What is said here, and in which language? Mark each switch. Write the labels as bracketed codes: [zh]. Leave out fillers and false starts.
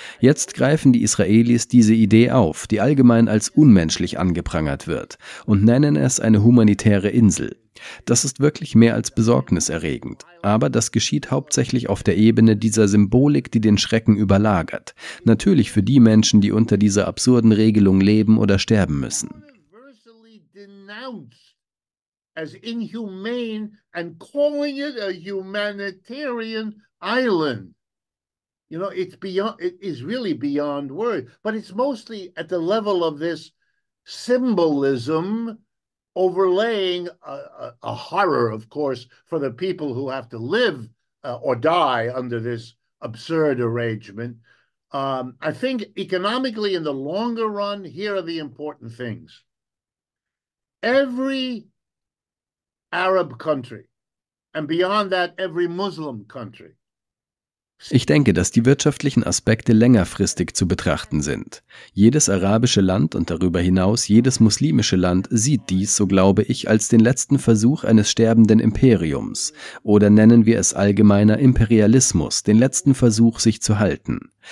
[de] Jetzt greifen die Israelis diese Idee auf, die allgemein als unmenschlich angeprangert wird, und nennen es eine humanitäre Insel. Das ist wirklich mehr als besorgniserregend. Aber das geschieht hauptsächlich auf der Ebene dieser Symbolik, die den Schrecken überlagert. Natürlich für die Menschen, die unter dieser absurden Regelung leben oder sterben müssen. [en] Universally denounced as inhumane and calling it a humanitarian island. You know, it's beyond, it is really beyond words. But it's mostly at the level of this symbolism overlaying a horror, of course, for the people who have to live or die under this absurd arrangement. I think economically in the longer run, here are the important things. Every Arab country, and beyond that, every Muslim country, [de] Ich denke, dass die wirtschaftlichen Aspekte längerfristig zu betrachten sind. Jedes arabische Land und darüber hinaus jedes muslimische Land sieht dies, so glaube ich, als den letzten Versuch eines sterbenden Imperiums. Oder nennen wir es allgemeiner Imperialismus, den letzten Versuch, sich zu halten.